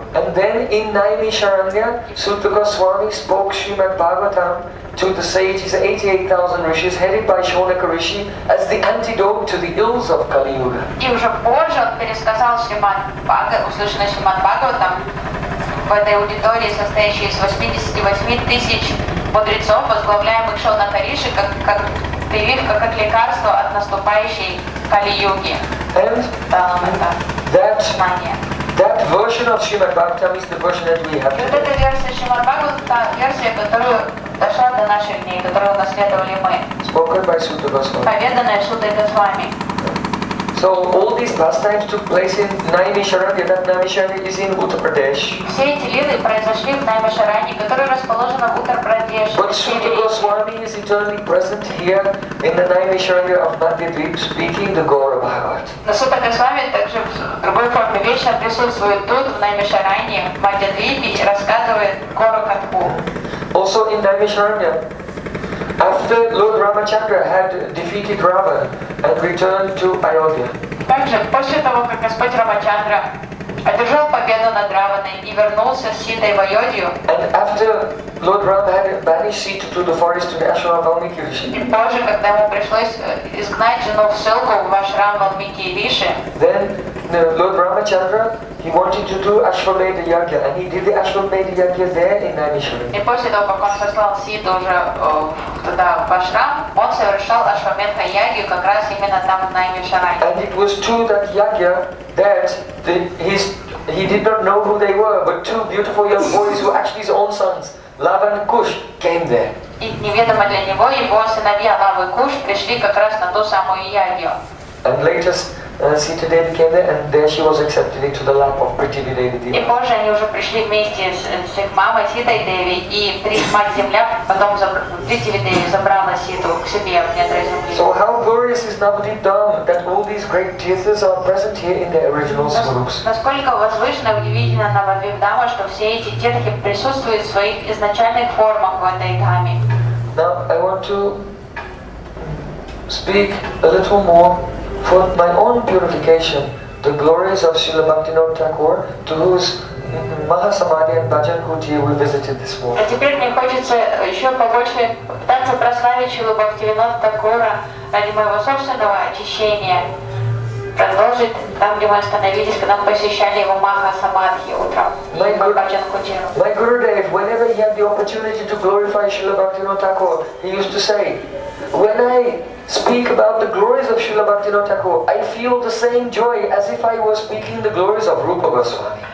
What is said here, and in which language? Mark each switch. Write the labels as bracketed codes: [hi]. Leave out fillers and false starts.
[en] And then in Наймишарандья, Сутта Госвами spoke Шримад Бхагаватам to the sages, 88,000 rishis, headed by Шонака Риши, as the antidote to the ills of Kali Yuga. [ru] И уже позже он пересказал услышанное Шримад Бхагаватам в этой аудитории, состоящей из 88,000 мудрецов, возглавляемых Шонака Риши, как прививка, как лекарство от наступающей Кали-юги. [en] That version of Srimad Bhagavatam is the version that we have today. [ru] Вот эта версия Шримад Бхагаватам, версия, которую дошла до наших дней, которую наследовали мы. [en] Spoken by Sutta Goswami. [ru] Поведанная Сутта Госвами. [en] So all these pastimes took place in Наймишарандья. That Наймишарандья is in Uttar Pradesh. [ru] Все эти лилы произошли в Наймишарандье, которое расположено в Uttar Pradesh. [en] But Sutta Goswami is eternally present here in the Наймишарандья of Madhyadvip, speaking the Gaura Bhagavat. [ru] Но Сутта Госвами также в другой форме вечно присутствует тут в Наймишарандье, в Мадхьядвипе, и рассказывает Гору Катху. [en] Also in Наймишарандья. After Lord Ramachandra had defeated Ravana and returned to Ayodhya. [ru] Также после того, как Господь Рамачандра одержал победу над Раваной и вернулся с Ситой в Айодию. [en] And after Lord Rama had banished Sita to the forest to the ashram of Valmiki Rishi. [ru] И позже, когда ему пришлось изгнать жену в ссылку в ашрам Валмики Риши. [en] Then Lord Ramachandra, he wanted to do Ashwamedha Yagya, and he did the Ashwamedha Yagya there in Наймишарандья. [ru] И после того, как он послал Ситу уже туда в ашрам, он совершал Ашвамедха Ягью как раз именно там в Наймишарандье. [en] And it was through that Yagya that his He did not know who they were, but two beautiful young boys who were actually his own sons, Lava and Kush, came there. [ru] Неведомо для него его сыновья Лава и Куш пришли как раз на ту самую Ягью. [en] And later, Sita Devi came there, and there she was accepted into the lap of Prithivideva Devi. [ru] И позже они уже пришли вместе с их мамой Ситой Деви, и мать земля потом Прithivideva забрала Ситу к себе в недра земли. [en] So how glorious is Navadvip Dham that all these great tirthas are present here in their original swarups? [ru] Насколько возвышенно, удивительно Навадвип Дхама, что все эти тирхи присутствуют в своих изначальных формах в этой дхаме. [en] Now I want to speak a little more. For my own purification, the glories of Srila Bhaktivinoda Thakur, to whose Mahasamadhi and Bhajan Kuti we visited this morning. [ru] А теперь мне хочется еще побольше пытаться прославить Шрилу Бхактивинода Такура ради моего собственного очищения. Продолжить там, где мы остановились, когда мы посещали его Махасамадхи утром. [en] My Gurudev, whenever he had the opportunity to glorify Srila Bhaktivinoda Thakur, he used to say, when I speak about the glories of Srila Bhaktivinoda Thakur, I feel the same joy as if I was speaking the glories of Rupa Goswami.